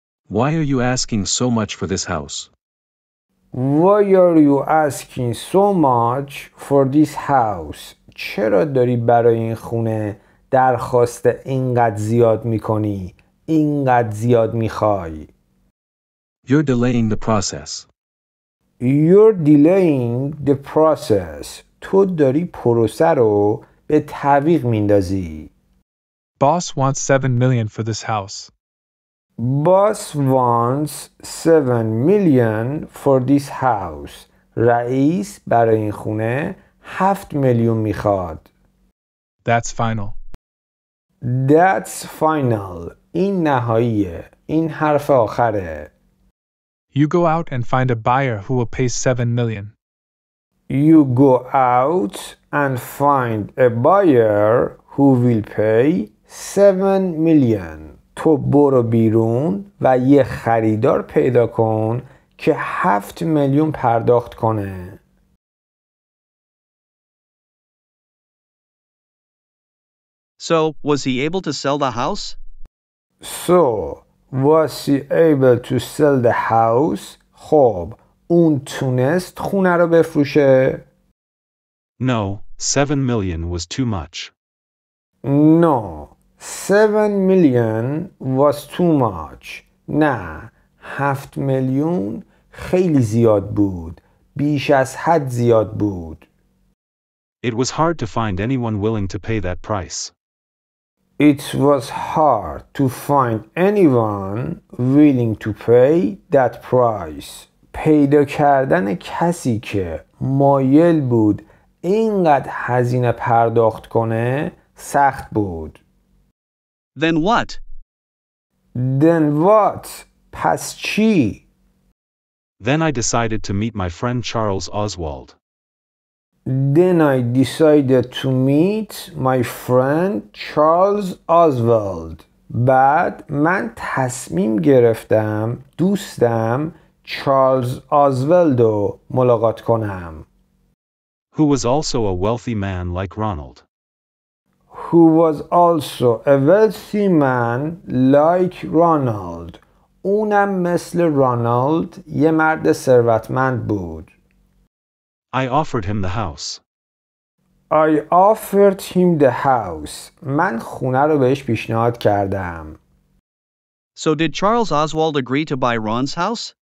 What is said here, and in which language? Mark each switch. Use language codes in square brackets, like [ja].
[en] Why are you asking so much for this house? Why are you asking so much for this house? [fa] چرا داری برای این خونه درخواست اینقدر زیاد میکنی؟ اینقدر زیاد میخوای؟ [en] You're delaying the process. You're delaying the process. [fa] تو داری پروسه رو به تعویق میندازی. [en] Boss wants 7 million for this house. Boss wants 7 million for this house. [fa] رئیس برای این خونه 7 میلیون میخواد. [en] That's final. That's final. [fa] این نهاییه. این حرف آخره. [en] You go out and find a buyer who will pay 7 million. You go out and find a buyer who will pay 7 million. [fa] تو برو بیرون و یه خریدار پیدا کن که 7 میلیون پرداخت کنه. [en] So, was he able to sell the house? So, was he able to sell the house? [fa] خب، اون تونست خونه رو بفروشه؟ [en] No, 7 million was too much. No, 7 million was too much. [fa] نه، 7 million خیلی زیاد بود. بیش از حد زیاد بود. [en] It was hard to find anyone willing to pay that price. It was hard to find anyone willing to pay that price. [fa] پیدا کردن کسی که مایل بود اینقدر هزینه پرداخت کنه سخت بود. [en] Then what? Then what? [fa] پس چی؟ [en] Then I decided to meet my friend Charles Oswald. Then I decided to meet my friend Charles Oswald. [fa] بعد من تصمیم گرفتم دوستم چارلز آزولد رو ملاقات کنم. [en] Who was also a wealthy man like Ronald. Who was also a wealthy man like Ronald. [fa] اونم مثل رونالد یه مرد ثروتمند بود. [en] I offered him the house. I offered him the house. [fa] من خونه رو بهش پیشنهاد کردم. [en] So did Charles Oswald agree to buy Ron's house?